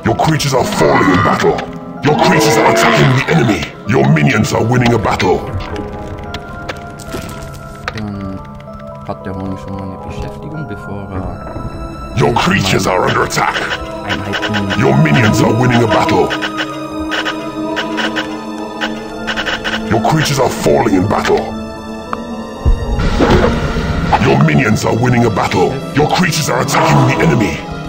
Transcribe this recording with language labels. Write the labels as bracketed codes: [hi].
[en] Your creatures are falling in battle. Your creatures are attacking the enemy. Your minions are winning a battle. [de] Dann hat der Honig schon mal eine Beschäftigung, bevor er... [en] Your creatures are under attack. Your minions are winning a battle. Your creatures are falling in battle. Your minions are winning a battle. Your creatures are attacking the enemy.